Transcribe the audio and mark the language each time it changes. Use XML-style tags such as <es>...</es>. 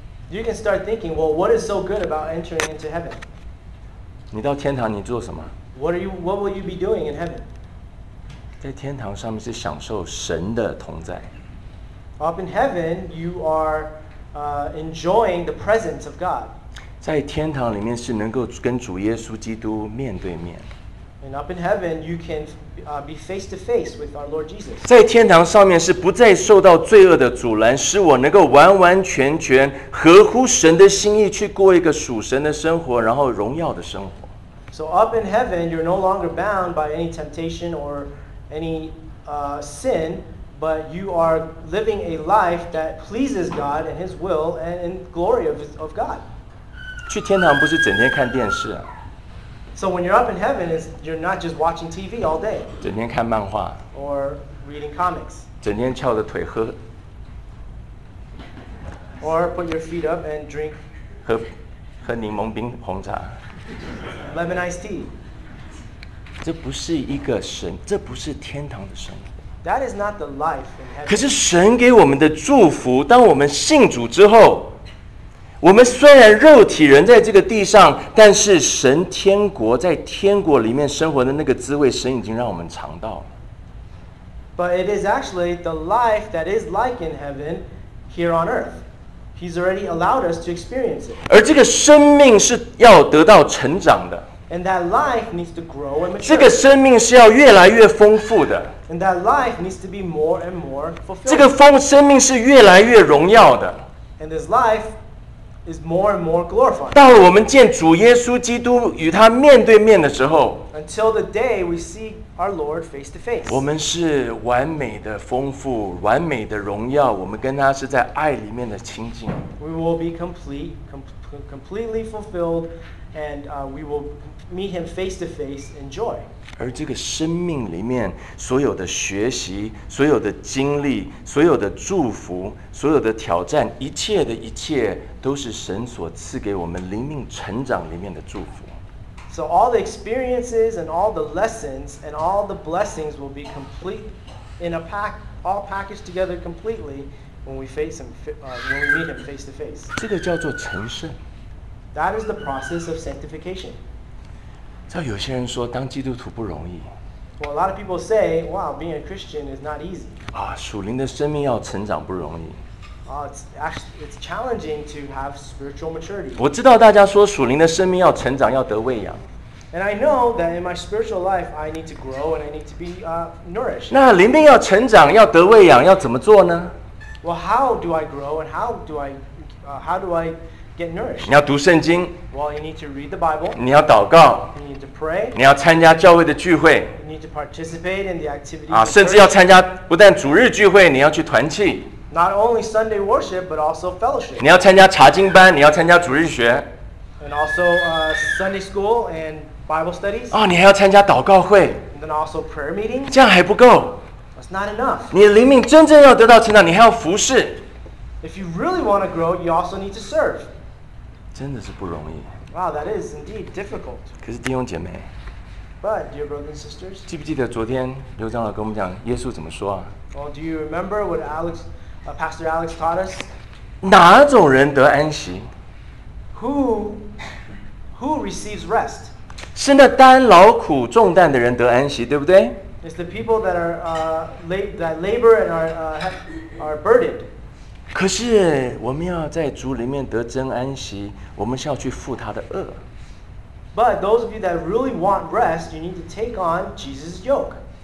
<en>You can start thinking, well, what is so good about entering into heaven?</en> <zh>你到天堂你做什么？</zh> <en>What will you be doing in heaven?</en> <zh>在天堂上面是享受神的同在。</zh> <en>Up in heaven, you are enjoying the presence of God.</en> <zh>在天堂里面是能够跟主耶稣基督面对面。</zh> <en>And up in heaven, you can be face to face with our Lord Jesus.</en> <zh>在天堂上面是不再受到罪恶的阻拦，使我能够完完全全合乎神的心意去过一个属神的生活，然后荣耀的生活。</zh> <en>So up in heaven, you're no longer bound by any temptation or any sin, but you are living a life that pleases God and His will and in glory of God.</en> <zh>去天堂不是整天看电视啊。</zh> <en>So when you're up in heaven, is you're not just watching TV all day.</en> <zh>整天看漫画。</zh> <en>Or reading comics.</en> <zh>整天翘着腿喝。</zh> <en>Or put your feet up and drink.</en> <zh>喝柠檬冰红茶。</zh> <en>Lemon iced tea.</en> <zh>这不是一个神，这不是天堂的生活。</zh> <en>That is not the life in heaven.</en> <zh>可是神给我们的祝福，当我们信主之后。我们虽然肉体人在这个地上，但是神天国在天国里面生活的那个滋味，神已经让我们尝到了。</zh> <en>But it is actually the life that is like in heaven here on earth. He's already allowed us to experience it.</en> <zh>而这个生命是要得到成长的。</zh> <en>And that life needs to grow and mature.</en> <zh>这个生命是要越来越丰富的。</zh> <en>And that life needs to be more and more fulfilled.</en> <zh>这个生命是越来越荣耀的。</zh> <en>And this life. Is more and more glorified.</en> <zh>到了我们见主耶稣基督与他面对面的时候</zh> <en>，Until the day we see our Lord face to face，</en> <zh>我们是完美的丰富，完美的荣耀。我们跟他是在爱里面的亲近。</zh> <en>We will be completely fulfilled, and we will meet Him face to face in joy.</en> <zh>而这个生命里面所有的学习、所有的经历、所有的祝福、所有的挑战，一切的一切。都是神所赐给我们灵命成长里面的祝福。</zh> <en>So all the experiences and all the lessons and all the blessings will be complete in a pack, all packaged together completely when we face him, when we meet him face to face.</en> <zh>这个叫做成圣。</zh> <en>That is the process of sanctification.</en> <zh>照有些人说，当基督徒不容易。</zh> <en>Well, a lot of people say, "Wow, being a Christian is not easy."</en> <zh>啊，属灵的生命要成长不容易。</zh> <en>It's challenging to have spiritual maturity.</en> <zh>我知道大家说属灵的生命要成长，要得喂养。</zh> <en>And I know that in my spiritual life, I need to grow and I need to be nourished.</en> <zh>那灵命要成长，要得喂养，要怎么做呢？</zh> <en>Well, how do I grow and how do I get nourished?</en> <zh>你要读圣经。</zh> <en>Well, you need to read the Bible.</en> <zh>你要祷告。</zh> <en>You need to pray.</en> <zh>你要参加教会的聚会。</zh> <en>You need to participate in the activity.</en> <zh>啊，甚至要参加不但主日聚会，你要去团契。</zh> <en>Not only Sunday worship, but also fellowship.</en> <zh>你要参加查经班，你要参加主日学。</zh> <en>And also Sunday school and Bible studies.</en> <zh>哦，你还要参加祷告会。</zh> <en>And then also prayer meeting.</en> <zh>这样还不够。</zh> <en>That's not enough.</en> <zh>你的灵命真正要得到成长，你还要服事。</zh> <en>If you really want to grow, you also need to serve.</en> <zh>真的是不容易。</zh> <en>Wow, that is indeed difficult.</en> <zh>可是弟兄姐妹。</zh> <en>But dear brothers and sisters.</en> <zh>记不记得昨天刘长老跟我们讲耶稣怎么说啊？</zh> <en>Well, do you remember what Alex? Pastor Alex taught us.</en> <zh>哪种人得安息？</zh> <en>Who receives rest?</en> <zh>是那担劳苦重担的人得安息，对不对？</zh> <en>It's the people that are that labor and are burdened.</en> <zh>可是我们要在主里面得真安息，我们是要去负他的轭。</zh> <en>But those of you that really want rest, you need to take on Jesus' yoke.</en>